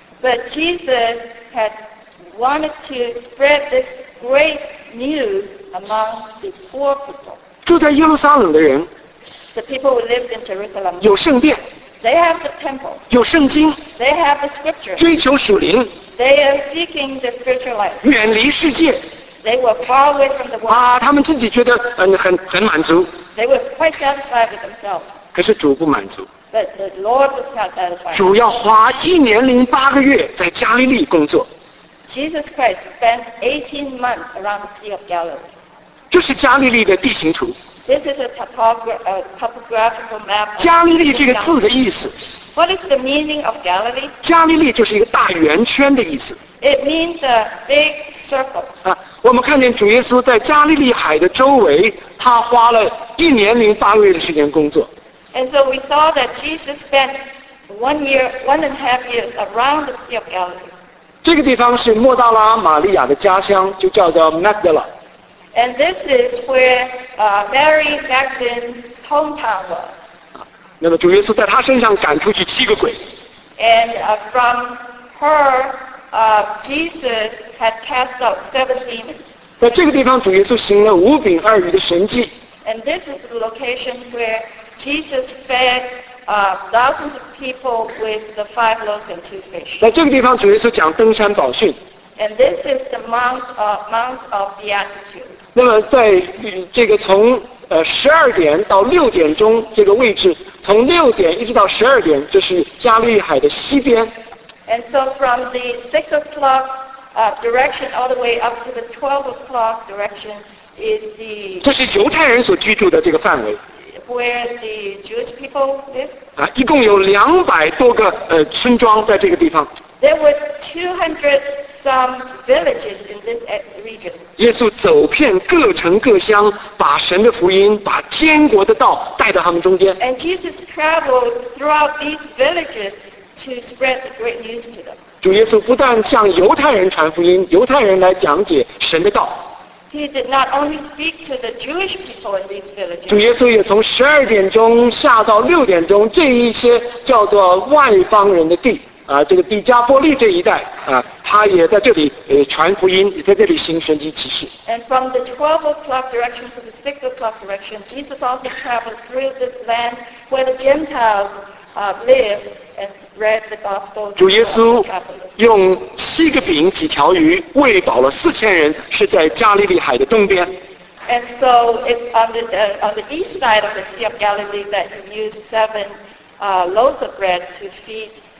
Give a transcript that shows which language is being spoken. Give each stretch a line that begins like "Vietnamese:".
English: But Jesus had wanted to spread this great news among the poor people.
Chinese: 住在耶路撒冷的人。
English: The people who lived in Jerusalem.
Chinese: 有圣殿。
English: They have the temple.
Chinese: 有圣经。
English: They have the scriptures.
Chinese: 追求属灵。
English: They are seeking the spiritual life.
Chinese: 远离世界。
English: They were far away from the world.
Chinese: 啊，他们自己觉得很满足。
English: They were quite satisfied with themselves.
Chinese: 可是主不满足。
English: But the Lord was not satisfied.
Chinese: 主要花一年零八个月在加利利工作。
English: Jesus Christ spent 18 months around the Sea of Galilee.
Chinese: 这是加利利的地形图。
English: This is a topographical map.
Chinese: 加利利这个字的意思。
English: What is the meaning of Galilee?
Chinese: 加利利就是一个大圆圈的意思。
English: It means a big circle.
Chinese: 啊，我们看见主耶稣在加利利海的周围，他花了一年零八个月的时间工作。
English: And so we saw that Jesus spent one and a half years around the Sea of Galilee.
Chinese: 这个地方是莫大拉玛利亚的家乡，就叫做 Magdala。
English: And this is where Mary Magdalene's hometown was.
Chinese: 那么主耶稣在他身上赶出去七个鬼。
English: And from her, Jesus had cast out seven demons.
Chinese: 在这个地方，主耶稣行了五饼二鱼的神迹。
English: And this is the location where Jesus fed thousands of people with the five loaves and two fish.
Chinese: 在这个地方，主耶稣讲登山宝训。
English: And this is the Mount of Beatitude.
Chinese: 那么在这个从十二点到六点钟这个位置，从六点一直到十二点，这是加利海的西边。
English: And so from the 6 o'clock direction all the way up to the 12 o'clock direction is the...
Chinese: 这是犹太人所居住的这个范围。
English: Where the Jewish people live.
Chinese: 一共有200多个村庄在这个地方。
English: There were 200 some villages in this region.
Chinese: 耶稣走遍各城各乡，把神的福音，把天国的道带到他们中间。
English: And Jesus traveled throughout these villages to spread the great news to them.
Chinese: 主耶稣不但向犹太人传福音，犹太人来讲解神的道。
English: He did not only speak to the Jewish people in these villages.
Chinese: 主耶稣也从十二点钟下到六点钟，这一些叫做外邦人的地。这个底加波利这一带他也在这里传福音，也在这里行神迹奇事。
English: And from the 12 o'clock direction to the 6 o'clock direction, Jesus also traveled through this land where the Gentiles live and spread the gospel.
Chinese: 主耶稣用七个饼几条鱼喂饱了四千人，是在加利利海的东边。
English: And so it's on the east side of the Sea of Galilee that he used seven loaves of bread to feed